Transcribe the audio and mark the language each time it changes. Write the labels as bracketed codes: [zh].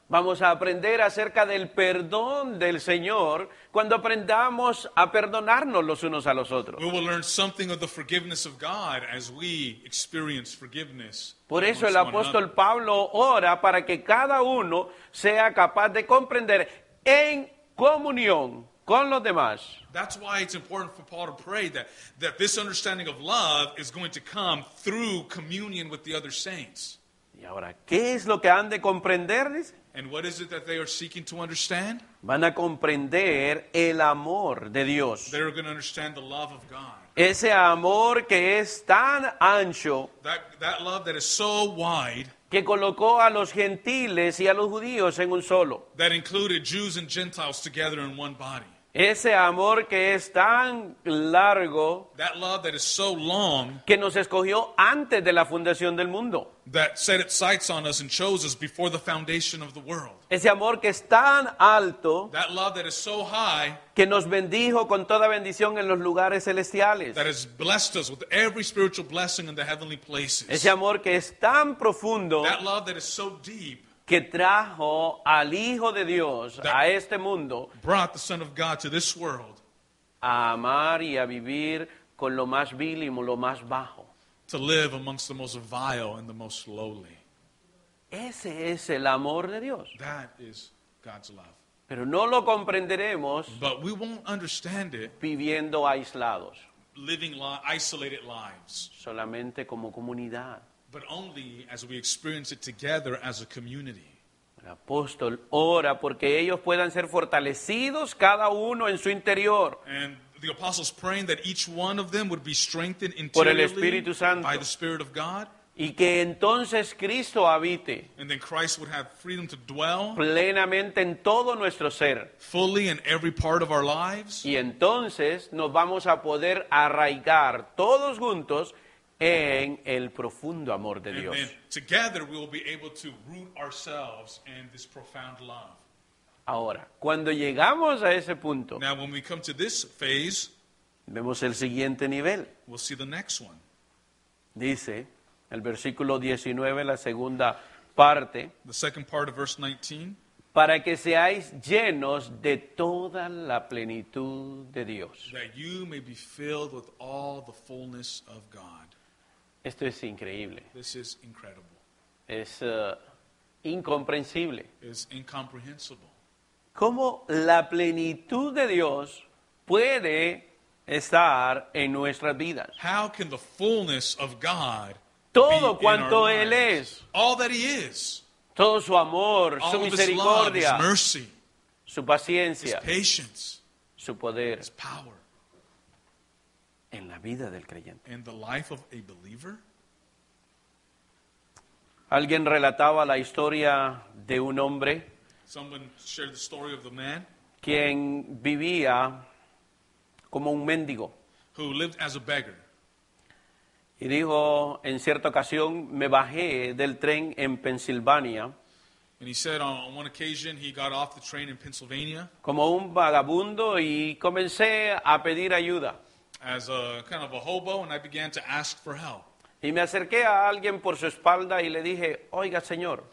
[es] Vamos a aprender acerca del perdón del Señor cuando aprendamos a perdonarnos los unos a los otros. [en] We will learn something of the forgiveness of God as we experience forgiveness. [es] Por eso el apóstol Pablo ora para que cada uno sea capaz de comprender en comunión con los demás. [en] That's why it's important for Paul to pray that this understanding of love is going to come through communion with the other saints. [es] Y ahora, ¿qué es lo que han de comprender? [en] And what is it that they are seeking to understand? [es] Van a comprender el amor de Dios. [en] They are going to understand the love of God. [es] Ese amor que es tan ancho. [en] That love that is so wide. [es] Que colocó a los gentiles y a los judíos en un solo. [en] That included Jews and Gentiles together in one body. [es] Ese amor que es tan largo. [en] That love that is so long. [es] Que nos escogió antes de la fundación del mundo. [en] That set its sights on us and chose us before the foundation of the world. [es] Ese amor que es tan alto. [en] That love that is so high. [es] Que nos bendijo con toda bendición en los lugares celestiales. [en] That has blessed us with every spiritual blessing in the heavenly places. [es] Ese amor que es tan profundo. [en] That love that is so deep. [es] Que trajo al Hijo de Dios a este mundo. [en] Brought the Son of God to this world. [es] A amar y a vivir con lo más vil y lo más bajo. [en] To live amongst the most vile and the most lowly. [es] Ese es el amor de Dios. [en] That is God's love. [es] Pero no lo comprenderemos. [en] But we won't understand it. [es] Viviendo aislados. [en] Living isolated lives. [es] Solamente como comunidad. [en] But only as we experience it together as a community. [es] El apóstol ora porque ellos puedan ser fortalecidos cada uno en su interior. [en] And the apostle's praying that each one of them would be strengthened internally by the Spirit of God. [es] Y que entonces Cristo habite. [en] And then Christ would have freedom to dwell. [es] Plenamente en todo nuestro ser. [en] Fully in every part of our lives. [es] Y entonces nos vamos a poder arraigar todos juntos en el profundo amor de Dios. [en] And then together we will be able to root ourselves in this profound love. [es] Ahora, cuando llegamos a ese punto, [en] now when we come to this phase, [es] vemos el siguiente nivel. [en] We'll see the next one. [es] Dice el versículo 19, la segunda parte, [en] the second part of verse 19, [es] para que seáis llenos de toda la plenitud de Dios. [en] That you may be filled with all the fullness of God. [es] Esto es increíble. [en] This is incredible. [es] Es incomprensible. [en] It's incomprehensible. [es] ¿Cómo la plenitud de Dios puede estar en nuestras vidas? [en] How can the fullness of God [es] todo [en] be [es] cuanto [en] in our [es] Él [en] lives? [es] Es. [en] All that He is. [es] Todo su amor, [en] all [es] su misericordia. [en] His love, His mercy, [es] su paciencia. [en] His patience, [es] su poder. [en] His power. [es] En la vida del creyente. [en] In the life of a believer. [es] Alguien relataba la historia de un hombre. [en] Someone shared the story of the man. [es] Quien vivía como un mendigo. [en] Who lived as a beggar. [es] Y dijo, en cierta ocasión, me bajé del tren en Pensilvania. [en] And he said on one occasion he got off the train in Pennsylvania. [es] Como un vagabundo y comencé a pedir ayuda. [en] As a kind of a hobo, and I began to ask for help. [es] Y me acerqué a alguien por su espalda y le dije, oiga, señor.